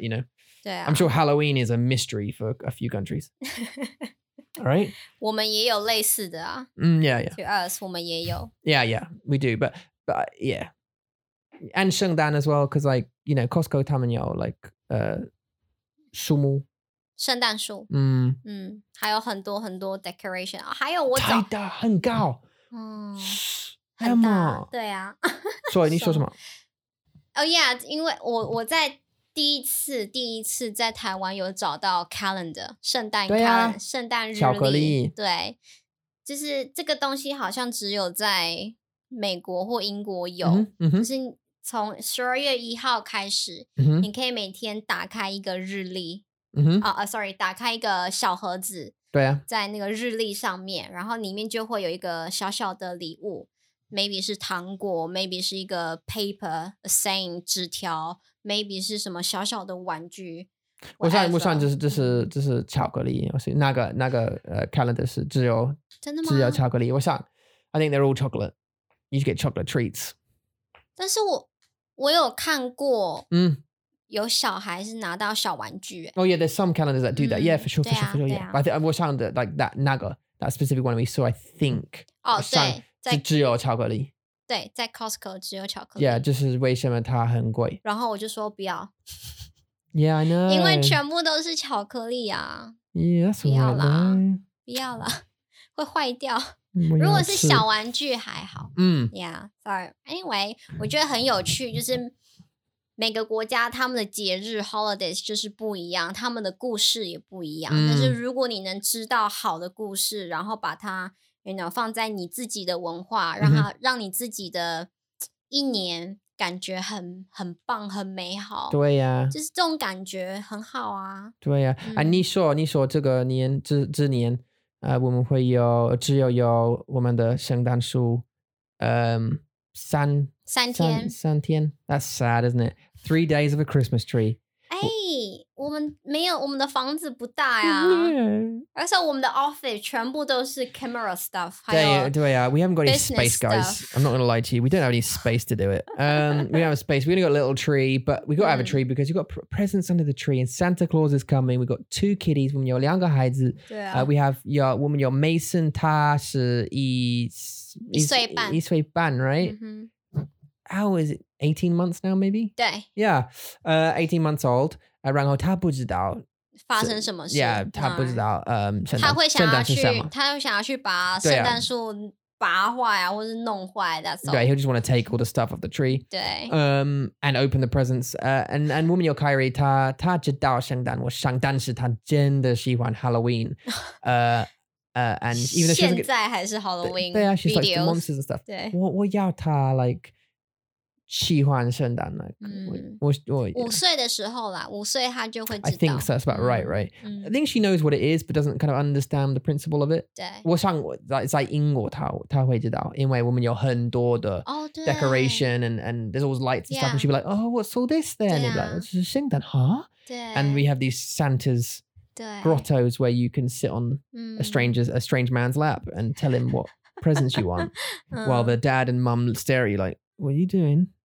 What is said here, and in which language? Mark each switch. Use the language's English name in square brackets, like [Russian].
[English] You know, I'm sure Halloween is a mystery for a few countries. All right. [Chinese] 我们也有类似的啊。 [English] Yeah. To us, [Chinese] 我们也有. [English] Yeah, we do. But yeah. And Shengdan as well, because like, you know, Costco, [Chinese] 他们有 [English] like, Shumu. [Chinese] 圣诞树, 还有很多很多 decoration, 还有我找,太大,很高, 很大, 对啊, sorry, 你说什么? Oh yeah, 因为我在第一次在台湾有找到 calendar, 圣诞calendar, 圣诞日历, 巧克力, 对, 就是这个东西好像只有在美国或英国有, 就是从 12月1号开始, 你可以每天打开一个日历, sorry, 打开一个小盒子, 对啊, 在那个日历上面, 然后里面就会有一个小小的礼物, maybe 是糖果 maybe 是一个 [English] paper a saying [Chinese] 纸条 maybe 是什么小小的玩具。我想就是巧克力，那个calendar 是只有真的吗？只有巧克力。我想 [English] I think they're all chocolate. You should get chocolate treats. [Chinese] 但是我有看过，嗯，有小孩是拿到小玩具。 [English] Oh yeah, there's some calendars that do that. Yeah, for sure, for sure, for sure. Yeah, but I think [Chinese] 我想的 [English] like that [Chinese] 那个 [English] that specific one we saw, I think. [Chinese] 哦，对，在只有巧克力。对，在 Costco 只有巧克力。 Yeah, 就是为什么它很贵。然后我就说不要。 [English] Yeah, I know. [Chinese] 因为全部都是巧克力啊。 [English] Yeah, that's right. [Chinese] 不要啦，不要啦，会坏掉。如果是小玩具还好。嗯。 [English] Yeah, sorry. [Chinese] Anyway, 我觉得很有趣，就是每个国家他们的节日 holidays 就是不一样，他们的故事也不一样。但是如果你能知道好的故事，然后把它 you know, 放在你自己的文化，让你自己的一年感觉很棒很美好。对呀、啊。就是这种感觉很好啊。对呀、啊嗯啊。你说这个年 这年我们会有只有有我们的圣诞树三天。 [English] That's sad, isn't it? 3 days of a Christmas tree. [Chinese] 哎我们没有我们的房子不大呀。而且我们的 office 全部都是 [English] camera stuff. [Chinese] 对呀、啊、, [English] we haven't got any space, guys. I'm not gonna lie to you. We don't have any space to do it. we have a space. We only got a little tree, but we got to have a tree because you've got presents under the tree and Santa Claus is coming. We've got two kitties. [Chinese] 我们有两个孩子。 [English] We have, [Chinese] 我们有 Mason, 他是一岁半 [English] right?、How is it? 18 months now, maybe? [Chinese] 对。 [English] Yeah. 18 months old. [Chinese] 然后他不知道发生什么事。 Yeah, 他不知道圣诞是什么。他会想要去把圣诞树拔坏啊或是弄坏。 [English] That's all. Right, he'll just want to take all the stuff off the tree. [Chinese] 对。 [English] And open the presents. [Chinese] And 我们有 Kyrie, 他知道圣诞。我想但是他真的喜欢 Halloween. [English] and even if she's [Chinese] like, 现在还是 Halloween 对啊 she's [English] videos. Like the monsters and stuff. [Chinese] 对。我要他 like... 喜欢圣诞的、五岁的时候啦五岁他就会知道 [English] I think that's about right、I think she knows what it is but doesn't kind of understand the principle of it [Chinese] 对我想在英国他会知道因为我们有很多的 decoration、 [English] oh, and there's always lights and stuff、 yeah. and she'd be like oh what's all this then、啊 [Chinese] like, 这是圣诞 huh 对 [English] and we have these Santa's grottos where you can sit on、a strange man's lap and tell him what presents you want 、while the dad and mum stare at you like What are you doing?